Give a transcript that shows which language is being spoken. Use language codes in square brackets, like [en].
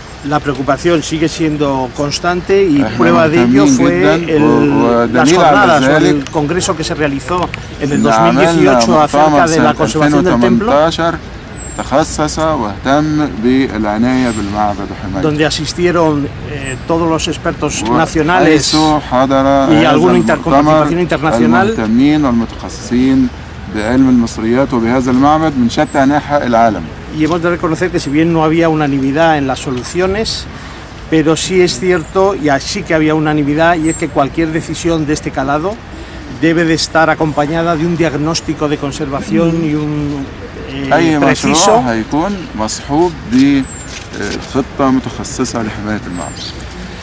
[es] La preocupación sigue siendo constante y prueba de ello fue las jornadas o el congreso que se realizó en el 2018 acerca de la conservación del templo. [ar] تخصص واهتم بالعناية بالمعبد وحمايته. [es] Donde asistieron todos los expertos nacionales y algún participación internacional. [ar] المهتمين والمتخصصين بعلم المصريات وبهذا المعبد من شتى أنحاء العالم. [es] Y hemos de reconocer que si bien no había unanimidad en las soluciones, pero sí es cierto y así que había unanimidad y es que cualquier decisión de este calado debe de estar acompañada de un diagnóstico de conservación y un [ar] أي مشروع هيكون مصحوب بخطة متخصصة لحماية المعبد.